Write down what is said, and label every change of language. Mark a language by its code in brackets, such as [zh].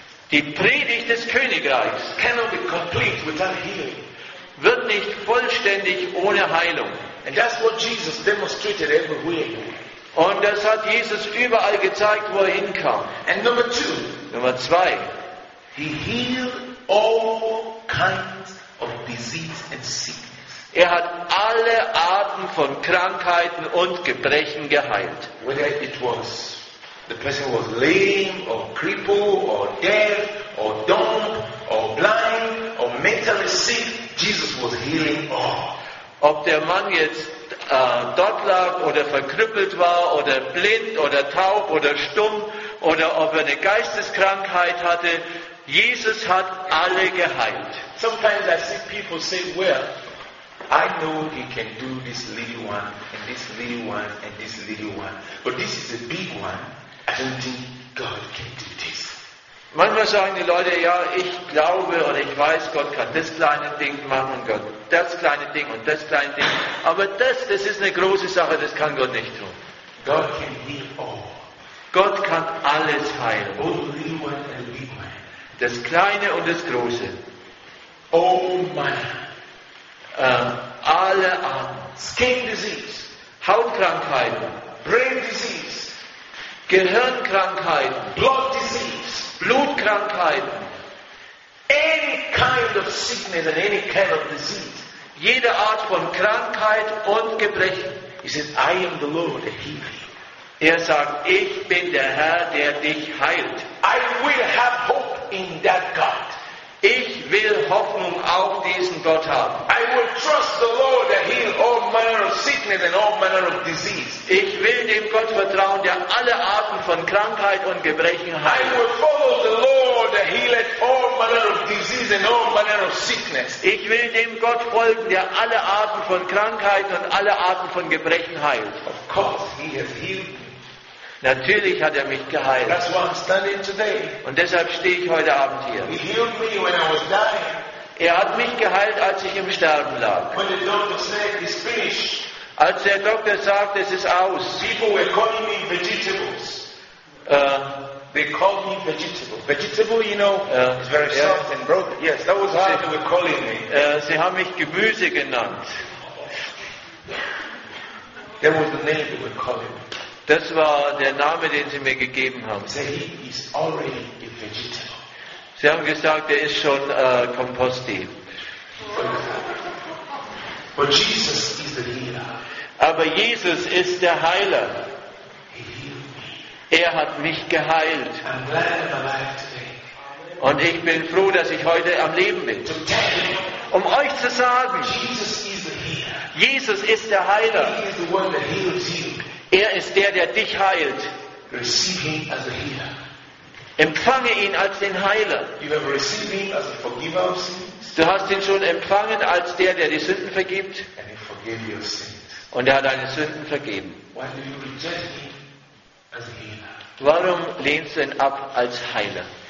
[de] die Predigt des Königreichs, [en] cannot be complete without healing. [de] Wird nicht vollständig ohne Heilung. [en] And that's what Jesus demonstrated everywhere. [de] Und das hat Jesus überall gezeigt, wo er hinkam. [en] And number two, [de] Nummer zwei, [en] he healed all kinds of disease and sickness. [de] Er hat alle Arten von Krankheiten und Gebrechen geheilt. [en] Whether it was the person was lame or crippled or deaf or dumb or blind or mentally sick, Jesus was healing all. [de] Ob der Mann jetzt dort lag oder verkrüppelt war oder blind oder taub oder stumm oder ob er eine Geisteskrankheit hatte, Jesus hat alle geheilt. [en] Sometimes I see people say, well, I know he can do this little one and this little one and this little one. But this is a big one. I don't think God can do this. [de] Manchmal sagen die Leute, ja, ich glaube und ich weiß, Gott kann das kleine Ding machen und Gott das kleine Ding und das kleine Ding. Aber das ist eine große Sache, das kann Gott nicht tun. [en] God can heal all. [de] Gott kann alles heilen. [en] Both little one and big man. [de] Das Kleine und das Große. [en] Oh man. [de] Alle Arten. [en] Skin disease. [de] Hautkrankheiten. [en] Brain disease. [de] Gehirnkrankheiten. [en] Blood disease. [de] Blutkrankheiten. [en] Any kind of sickness and any kind of disease. [de] Jede Art von Krankheit und Gebrechen. [en] He said, I am the Lord, the healer. [de] Er sagt, ich bin der Herr, der dich heilt. [en] I will have hope in that God. [de] Ich will Hoffnung auf diesen Gott haben. [en] I will trust the Lord to heal all manner of sickness and all manner of disease. [de] Ich will dem Gott vertrauen, der alle Arten von Krankheit und Gebrechen heilt. [en] I will follow the Lord to heal all manner of disease and all manner of sickness. [de] Ich will dem Gott folgen, der alle Arten von Krankheit und alle Arten von Gebrechen heilt. [en] Of course, he has healed me. [de] Natürlich hat er mich geheilt. [en] That's why I'm standing today. [de] Und deshalb stehe ich heute Abend hier. [en] He healed me when I was dying. [de] Er hat mich geheilt, als ich im Sterben lag. [en] When the doctor said, it's finished. [de] Als der Doktor sagte, es ist aus. [en] People were calling me vegetables. They called me vegetable. Vegetable, you know, is very soft and broken. Yes, that was how they were calling me. [de] Sie haben mich Gemüse genannt. [en] That was the name they were calling me. [de] Das war der Name, den sie mir gegeben haben. [en] So he is already a vegetable. [de] Sie haben gesagt, er ist schon Komposti. [en] But Jesus is the healer. [de] Aber Jesus ist der Heiler. [en] He healed [de] me. Er hat mich geheilt. [en] I'm glad I'm alive today. [de] Und ich bin froh, dass ich heute am Leben bin. [en] To tell you, [de] um euch zu sagen, [en] Jesus is the healer. [de] Jesus ist der Heiler. [en] He is the one that heals you. [de] Er ist der, der dich heilt. [en] Receive him as a healer. [de] Empfange ihn als den Heiler. [en] You have received him as a forgiver of sins. [de] Du hast ihn schon empfangen als der, der die Sünden vergibt. [en] And he forgave your sins. [de] Und er hat deine Sünden vergeben. [en] Why do you reject him as a healer? [de] Warum lehnst du ihn ab als Heiler?